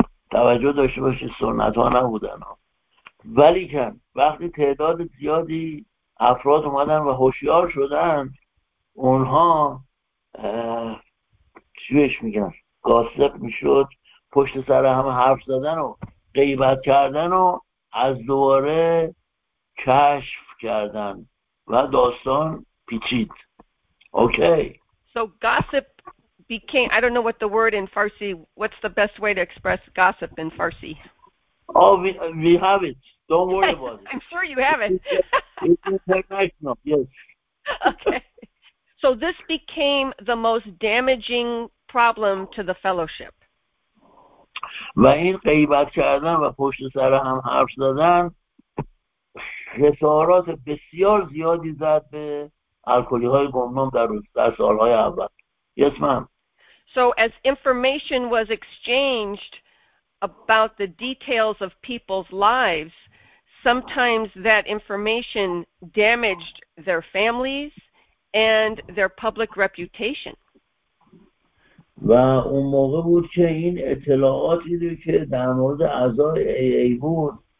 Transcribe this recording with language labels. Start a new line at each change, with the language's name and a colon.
Persian: توجه داشته باشی سنت ها نبودن ها. ولیکن وقتی تعداد زیادی افراد اومدن و هوشیار شدن اونها چیش میگن؟ گاسپ میشد، پشت سر هم حرف زدن و غیبت کردن و از دوباره کشف کردن و داستان پیچید.
English: Okay. So gossip became, I don't know what the word in Farsi, what's the best way to express gossip in Farsi? Oh, we have it. Don't worry about it. I'm sure you have it. It's international, yes. Okay. So this became the most damaging problem to the fellowship.
Persian: و این غیبت کردن و پشت سر هم حرف زدن خسارات بسیار زیادی زد به الکلی های گمنام در سالهای اول.
English: Yes, ma'am. So as information was exchanged about the details of people's lives, sometimes that information damaged their families and their public reputation.
Persian: و اون موقع بود که این اطلاعاتی که در مورد اعضای AA بود